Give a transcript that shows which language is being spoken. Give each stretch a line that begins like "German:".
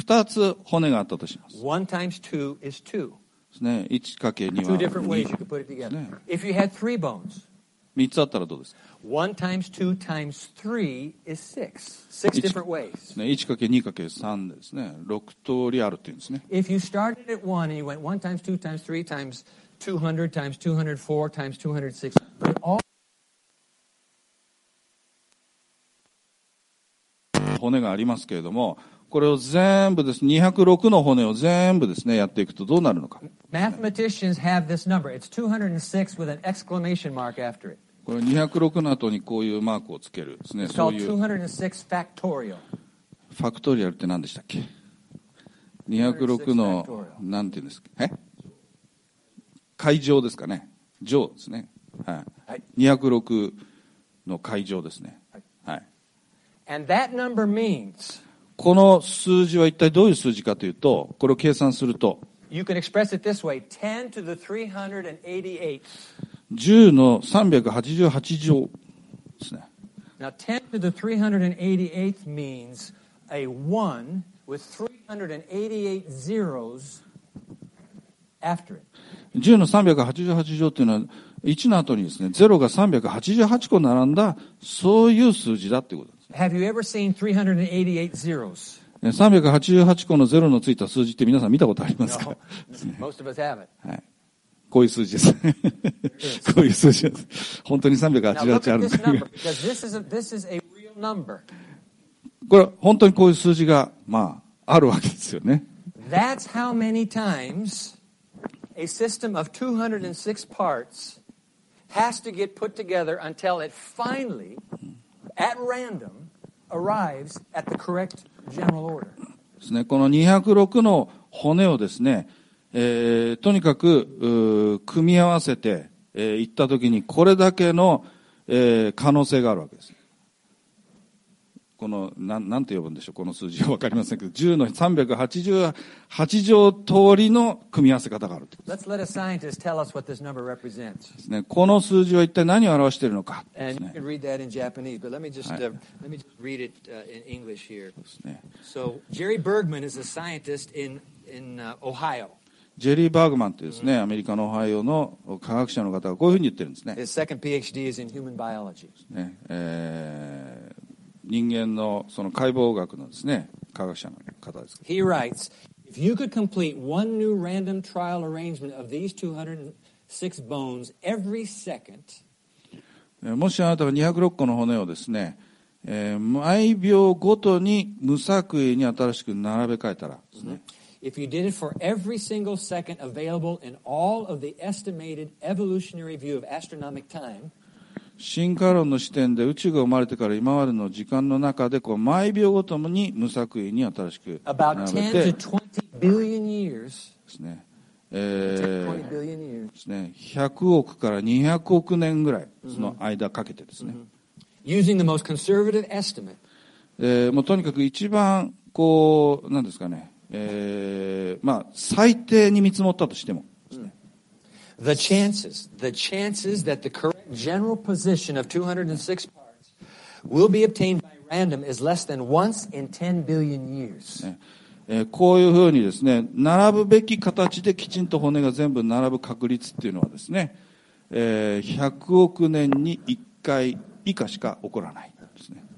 Japanese: 2つ骨があったとします。
English: 1 times 2 is 2。
Japanese: ですね、1かけ2は2。
English: 2 different ways you could put it together。 If you had 3 bones。
Japanese: 3つあったらどうですか？
English: 1 times 2 times 3 is 6. 6 different ways。
Japanese: ね、1かけ2かけ3ですね。 6通りあるっていうんですね。
English: If you started at 1 and you went 1 times 2 times 3 times 200 times 204 times 206, but all
Japanese: 骨がありますけれども、これを全部です、206の骨を全部ですね、やっていくとどうなるのか。
English: Mathematicians have this number. It's 206 with an exclamation mark after it.
Japanese: これ206の後にこういうマークをつけるですね。
English: It's called 206 factorial.
Japanese: ファクトリアルって何でしたっけ ？206 のなんていうんですか？え？階乗ですかね。乗ですね。はい。 206の階乗ですね。
English: And that number means,
Japanese: この数字は一体どういう数字かというと、これを計算すると、
English: you can express it this way, 10 to the 388th.
Japanese: 10の388乗ですね。
English: Now 10 to the 388th means a 1 with 388 zeros after it.
Japanese: 10の388乗というのは、1の後にですね、0が388個並んだ、そういう数字だということです。
English: Have you ever seen 388 zeros?
Japanese: 388個のゼロのついた数字って皆さん見たことありますか？
English: No, most of us haven't.
Japanese: はい、こういう数字です。こういう数字です。本当に388あるんですか？
English: This is a real number.
Japanese: これ本当にこういう数字が、まあ、あるわけですよね。
English: That's how many times a system of 206 parts has to get put together until it finally at random arrives at the correct general order.
Japanese: ですね、この206の骨をですね、とにかく組み合わせてい、ったときにこれだけの、可能性があるわけです。この何て呼ぶんでしょう、この数字は分かりませんけど、10の388乗通りの組み合わせ方があるってことです。ですね、この数字は一体何を表しているのか、
English: ね。Japanese, just,
Japanese: はい、ですね。
English: So,
Japanese: ジェリー・バーグマンというですね、アメリカのオハイオの科学者の方がこういうふうに言ってるんですね。
English: His second PhD is in human biology.
Japanese: ですね、人間のその解剖学のですね、科学者の方です。
English: He writes, if you could complete one new random trial arrangement of these 206 bones every second,
Japanese: もしあなたが206個の骨をですね、毎秒ごとに無作為に新しく並べ替えたらですね、
English: if you did it for every single second available in all of the estimated evolutionary view of astronomic time,
Japanese: 進化論の視点で宇宙が生まれてから今までの時間の中でこう毎秒ごとに無作為に新しく並べてですね、100億から200億年ぐらいその間かけてですね、もうとにかく一番こう何ですかね、まあ最低に見積もったとしても、
English: The chances that the correct general position of 206 parts will be obtained by random is less than once in 10 billion years.
Japanese: こういうふうにですね、並ぶべき形できちんと骨が全部並ぶ確率っていうのはですね、100億年に1回以下しか起こらないですね。